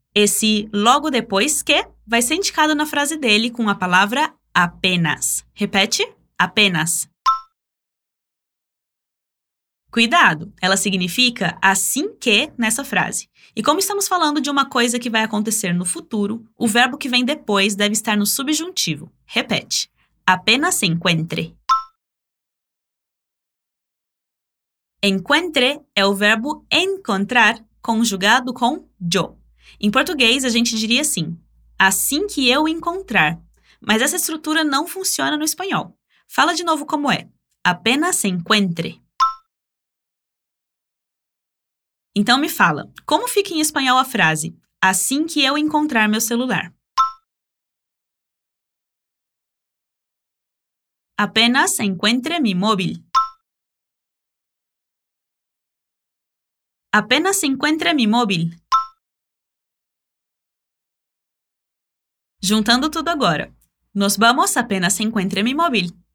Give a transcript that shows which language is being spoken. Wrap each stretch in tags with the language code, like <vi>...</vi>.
<pt>Esse logo depois que vai ser indicado na frase dele com a palavra apenas. Repete, apenas. Cuidado, ela significa assim que nessa frase. E como estamos falando de uma coisa que vai acontecer no futuro, o verbo que vem depois deve estar no subjuntivo. Repete,</pt> <es>apenas se encuentre.</es> <pt>Encuentre é o verbo encontrar conjugado com yo. Em português, a gente diria assim, assim que eu encontrar. Mas essa estrutura não funciona no espanhol. Fala de novo como é,</pt> <es>apenas se encuentre.</es> <pt>Então me fala, como fica em espanhol a frase assim que eu encontrar meu celular?</pt> <es>Apenas encuentre mi móvil. Apenas encuentre mi móvil.</es> <pt>Juntando tudo agora.</pt> <es>Nos vamos apenas encuentre mi móvil.</es>